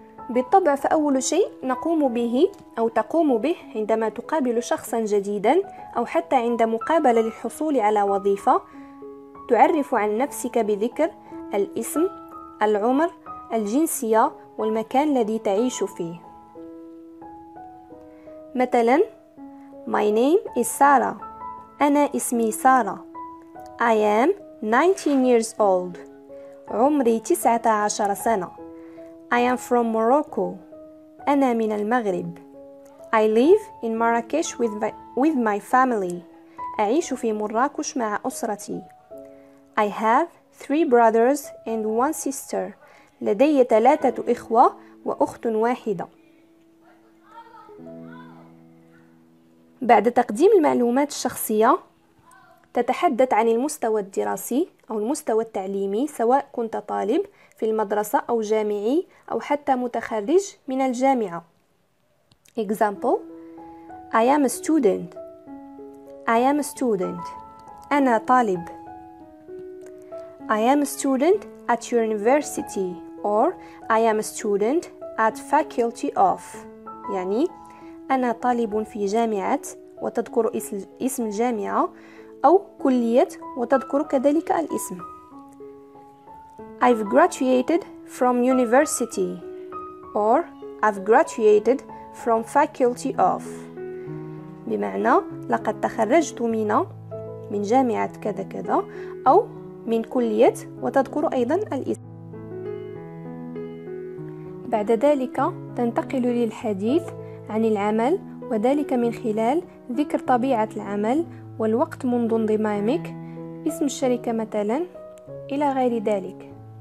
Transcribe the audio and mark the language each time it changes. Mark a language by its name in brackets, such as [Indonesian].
[Arabic] بالطبع فأول شيء نقوم به أو تقوم به عندما تقابل شخصا جديدا أو حتى عند مقابلة للحصول على وظيفة، تعرف عن نفسك بذكر الاسم، العمر، الجنسية والمكان الذي تعيش فيه. مثلا [English] My name is Sarah. [Arabic] أنا اسمي سارة. [English] I am 19 years old. [Arabic] عمري 19 سنة. [English] I am from Morocco. [Arabic] أنا من المغرب. [English] I live in Marrakech with my family. [Arabic] أعيش في مراكش مع أسرتي. [English] I have 3 brothers and 1 sister. [Arabic] لدي 3 إخوة وأخت واحدة. بعد تقديم المعلومات الشخصية، تتحدث عن المستوى الدراسي أو المستوى التعليمي، سواء كنت طالب في المدرسة أو جامعي أو حتى متخرج من الجامعة. [English] Example: I am a student. I am a student. [Arabic] أنا طالب. [English] I am a student at your university or I am a student at faculty of. [Arabic] يعني أنا طالب في جامعة وتذكر اسم الجامعة، أو كلية وتذكر كذلك الاسم. [English] I've graduated from university or I've graduated from faculty of. [Arabic] بمعنى لقد تخرجت من جامعة كذا كذا أو من كلية وتذكر أيضا الاسم. بعد ذلك تنتقل للحديث عن العمل، وذلك من خلال ذكر طبيعة العمل والوقت منذ انضمامك، اسم الشركة مثلا، إلى غير ذلك.